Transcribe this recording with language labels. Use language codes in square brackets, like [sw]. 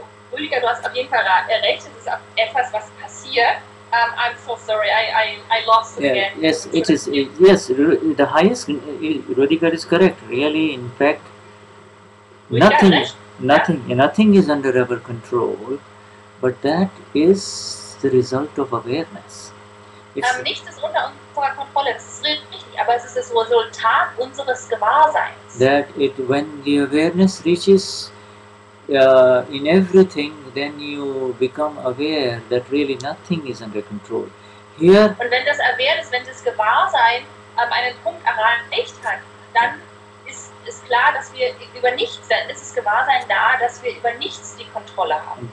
[de] Rüdiger, du hast auf jeden Fall recht, es ist etwas, was passiert. [en] I'm so sorry, I lost again. The highest, Rüdiger is correct, really, in fact, nothing is under our control, but that is the result of awareness. [de] Nichts ist unter unserer Kontrolle, das ist richtig, aber es ist das Resultat unseres Gewahrseins. [en] That it, when the awareness reaches in everything, then you become aware that really nothing is under control. Here. [de] Und wenn das Awareness, wenn das Gewahrsein einen Punkt erreicht hat, dann ist klar, dass wir über nichts, dann ist das Gewahrsein da, dass wir über nichts die Kontrolle haben.